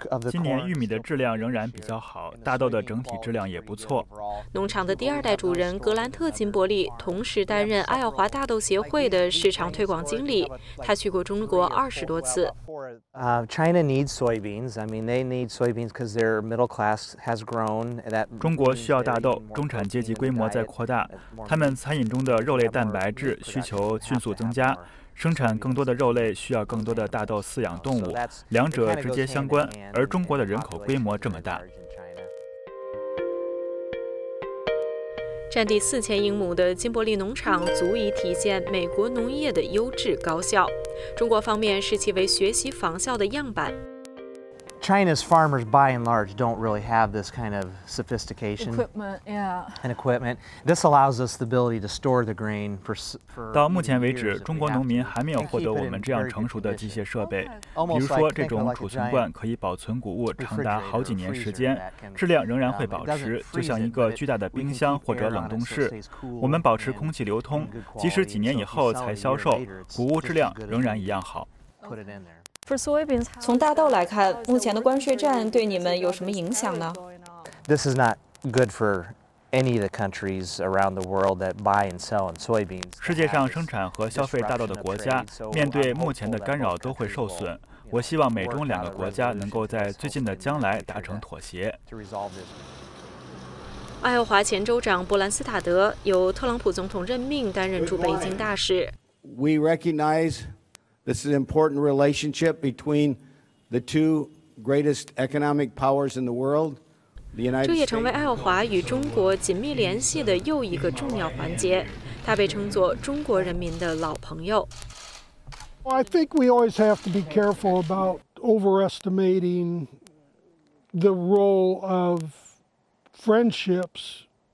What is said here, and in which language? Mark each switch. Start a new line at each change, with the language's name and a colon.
Chinese: 今年玉米的质量仍然比较好，大豆的整体质量也不错。农场的第二代主人格兰特·金伯利同时担任爱奥华大豆协会的市场推广经理，他去过中国20多次。
English: China needs soybeans. I mean, they need soybeans because their middle class has grown.
Chinese: 中国需要大豆，中产阶级规模在扩大，他们餐饮中的肉类蛋白质需求迅速增加，生产更多的肉类需要更多的大豆饲养动物，两者直接相关。而中国的人口规模这么大。占地4000英亩的金伯利农场足以体现美国农业的优质高效，中国方面视其为学习仿效的样板。
English: China's farmers, by and large, don't really have this kind of sophistication and equipment. This allows us the ability to store the grain for.
Chinese: 到目前为止，中国农民还没有获得我们这样成熟的机械设备，比如说这种储存罐可以保存谷物长达好几年时间，质量仍然会保持，就像一个巨大的冰箱或者冷冻室。我们保持空气流通，即使几年以后才销售，谷物质量仍然一样好。从大豆来看，目前的关税战对你们有什么影响呢？
English: This is not good for any of the countries around the world that buy and sell in soybeans.
Chinese: 世界上生产和消费大豆的国家，面对目前的干扰都会受损。我希望美中两个国家能够在最近的将来达成妥协。爱奥华前州长布兰斯塔德由特朗普总统任命担任驻北京大使。
English: We recognize. This is an important relationship between the two greatest economic powers in the world, the United States.
Chinese: 这也成为爱奥华与中国紧密联系的又一个重要环节。他被称作中国人民的老朋友。
English: Well, I think we always have to be careful about overestimating the role of friendships.